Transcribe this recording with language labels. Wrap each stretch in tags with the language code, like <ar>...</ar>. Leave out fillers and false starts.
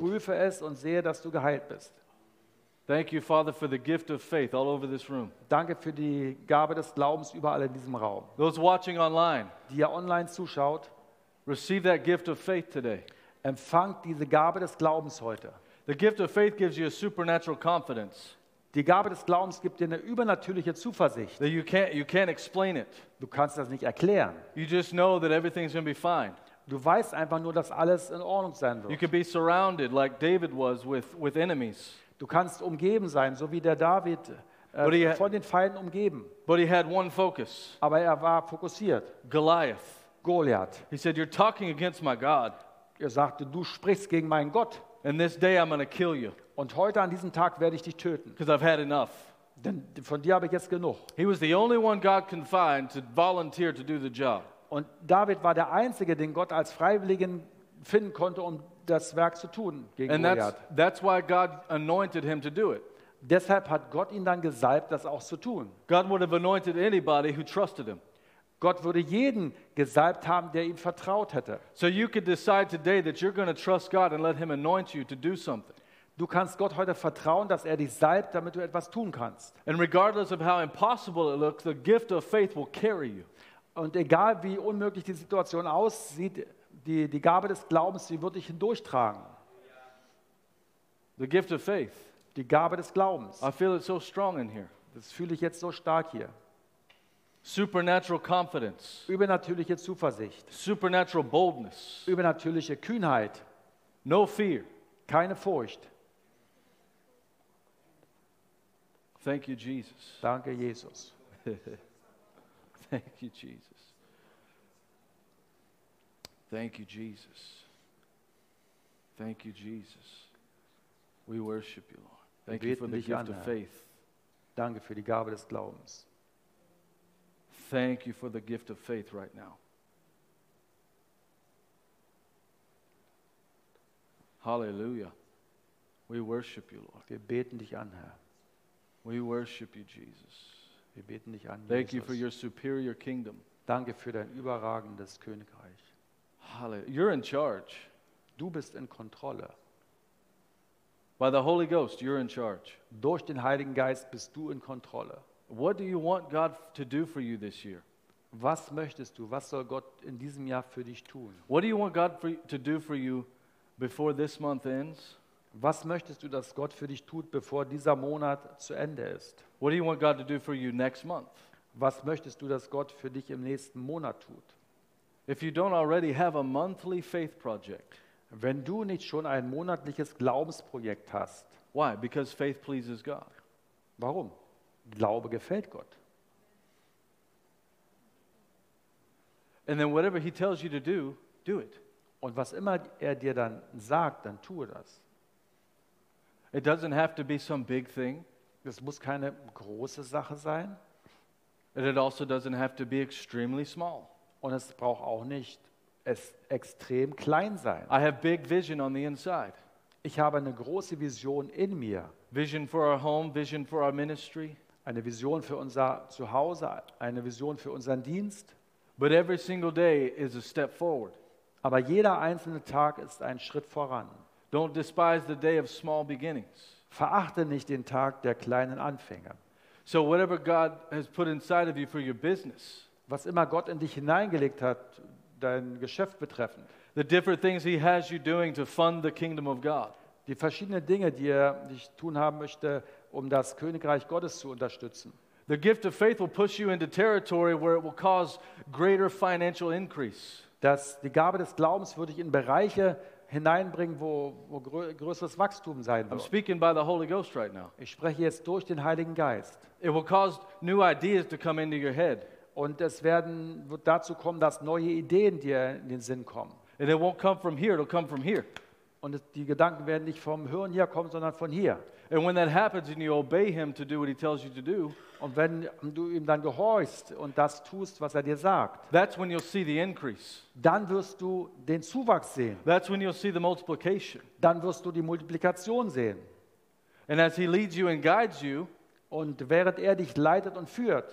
<de>Dann prüfe es und sehe, dass du geheilt bist.</de> <en>Thank you, Father, for the gift of faith all over this room.</en> <de>Danke für die Gabe des Glaubens überall in diesem Raum.</de> <en>Those watching online,</en> <de>die ja online zuschaut,</de> <en>receive that gift of faith today.</en> <de>Empfangt diese Gabe des Glaubens heute.</de> <en>The gift of faith gives you a supernatural confidence.</en> <de>Die Gabe des Glaubens gibt dir eine übernatürliche Zuversicht.</de> <en>You can't explain it.</en> <de>Du kannst das nicht erklären.</de> <en>You just know that everything's going to be fine.</en> <de>Du weißt einfach nur, dass alles in Ordnung sein wird.</de> <en>You can be surrounded like David was with enemies.</en> <de>Du kannst umgeben sein, so wie der David von den Feinden umgeben.</de> <en>But he had one focus.</en> <de>Aber er war fokussiert.</de> <en>Goliath.</en> <de>Goliath.</de> <en>He said, "You're talking against my God."</en> <de>Er sagte, du sprichst gegen meinen Gott.</de> <en>"And this day I'm going to kill you."</en> <de>Und heute an diesem Tag werde ich dich töten.</de> <en>"Because I've had enough."</en> <de>Denn von dir habe ich jetzt genug.</de> <en>He was the only one God can find to volunteer to do the job.</en> <de>Und David war der einzige, den Gott als Freiwilligen finden konnte, um das Werk zu tun gegen Goliath.</de> <en>And that's why God anointed him to do it.</en> <de>Deshalb hat Gott ihn dann gesalbt, das auch zu tun.</de> <en>God would have anointed anybody who trusted him.</en> <de>Gott würde jeden gesalbt haben, der ihm vertraut hätte.</de> <en>So you could decide today that you're going to trust God and let him anoint you to do something.</en> <de>Du kannst Gott heute vertrauen, dass er dich salbt, damit du etwas tun kannst.</de> <en>And regardless of how impossible it looks, the gift of faith will carry you.</en> <de>Und egal wie unmöglich die Situation aussieht, die Gabe des Glaubens, sie wird dich hindurchtragen.</de> <en>The gift of faith.</en> <de>Die Gabe des Glaubens.</de> <en>I feel it so strong in here.</en> <de>Das fühle ich jetzt so stark hier.</de> <en>Supernatural confidence.</en> <de>Übernatürliche Zuversicht.</de> <en>Supernatural boldness.</en> <de>Übernatürliche Kühnheit.</de> <en>No fear.</en> <de>Keine Furcht.</de> <en>Thank you, Jesus. Danke, Jesus. Thank you, Jesus. Thank you, Jesus. Thank you, Jesus. We worship you, Lord. Thank you for the gift of faith.</en> <de>Danke für die Gabe des Glaubens.</de> <en>Thank you for the gift of faith right now. Hallelujah. We worship you, Lord.</en> <de>Wir beten dich an, Herr.</de> <en>We worship you, Jesus.</en> <de>Wir beten dich an,</de> <en>Thank Jesus. You for your superior kingdom.</en> <de>Danke für dein überragendes Königreich.</de> <en>Hallelujah. You're in charge.</en> <de>Du bist in Kontrolle.</de> <en>By the Holy Ghost, you're in charge.</en> <de>Durch den Heiligen Geist bist du in Kontrolle.</de> <en>What do you want God to do for you this year?</en> <de>Was möchtest du? Was soll Gott in diesem Jahr für dich tun?</de> <en>What do you want God to do for you before this month ends?</en> <de>Was möchtest du, dass Gott für dich tut, bevor dieser Monat zu Ende ist?</de> <en>What do you want God to do for you next month?</en> <de>Was möchtest du, dass Gott für dich im nächsten Monat tut?</de> <en>If you don't already have a monthly faith project.</en> <de>Wenn du nicht schon ein monatliches Glaubensprojekt hast.</de> <en>Why? Because faith pleases God.</en> <de>Warum? Glaube gefällt Gott.</de> <en>And then whatever he tells you to do, do it.</en> <de>Und was immer er dir dann sagt, dann tue das.</de> <en>It doesn't have to be some big thing.</en> <de>Das muss keine große Sache sein.</de> <en>And it also doesn't have to be extremely small.</en> <de>Und es braucht auch nicht es extrem klein sein.</de> <en>I have big vision on the inside.</en> <de>Ich habe eine große Vision in mir.</de> <en>Vision for our home, vision for our ministry.</en> <de>Eine Vision für unser Zuhause, eine Vision für unseren Dienst.</de> <en>But every single day is a step forward.</en> <de>Aber jeder einzelne Tag ist ein Schritt voran.</de> <en>Don't despise the day of small beginnings.</en> <de>Verachte nicht den Tag der kleinen Anfänge.</de> <en>So whatever God has put inside of you for your business.</en> <de>Was immer Gott in dich hineingelegt hat, dein Geschäft betreffend.</de> <en>The different things he has you doing to fund the kingdom of God.</en> <de>Die verschiedenen Dinge, die er dich tun haben möchte, um das Königreich Gottes zu unterstützen.</de> <en>The gift of faith will push you into territory where it will cause greater financial increase.</en> <de>Dass die Gabe des Glaubens würde dich in Bereiche hineinbringen, wo größeres Wachstum sein wird.</de> <en>I'm speaking by the Holy Ghost right now.</en> <de>Ich spreche jetzt durch den Heiligen Geist.</de> <en>It will cause new ideas to come into your head.</en> <de>Und es wird dazu kommen, dass neue Ideen dir in den Sinn kommen.</de> <en>And it won't come from here, it'll come from here.</en> <de>Und die Gedanken werden nicht vom Hören her kommen, sondern von hier.</de> <en>And when that happens and you obey him to do what he tells you to do,</en> <de>und wenn du ihm dann gehorchst und das tust, was er dir sagt,</de> <en>that's when you'll see the increase.</en> <de>Dann wirst du den Zuwachs sehen.</de> <en>That's when you'll see the multiplication.</en> <de>Dann wirst du die Multiplikation sehen.</de> <en>And as he leads you and guides you,</en> <de>und während er dich leitet und führt,</de>